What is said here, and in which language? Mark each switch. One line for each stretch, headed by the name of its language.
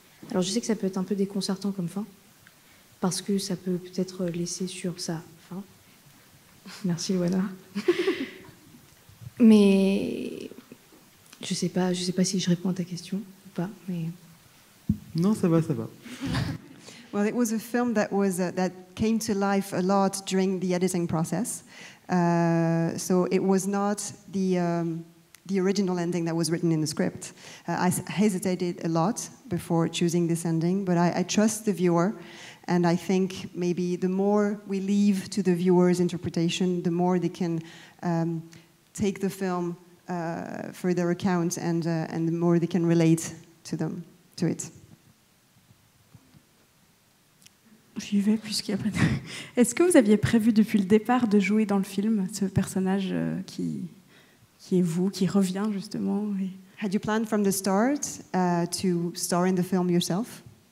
French: Alors je sais que ça peut être un peu déconcertant comme fin, parce que ça peut peut-être laisser sur sa fin. Merci, Luana. Mais je sais pas si je réponds à ta question ou pas. Mais... Non, ça va, ça va.
English: Well, it was a film that came to life a lot during the editing process. So it was not the original ending that was written in the script. I hesitated a lot before choosing this ending, but I trust the viewer, and I think maybe the more we leave to the viewer's interpretation, the more they can take the film for their account, and the more they can relate to it.
French: J'y vais puisqu'il n'y a pas de... Est-ce que vous aviez prévu depuis le départ de jouer dans le film ce personnage qui est vous, qui revient justement et...
English: Had you planned from the start to star in the film yourself?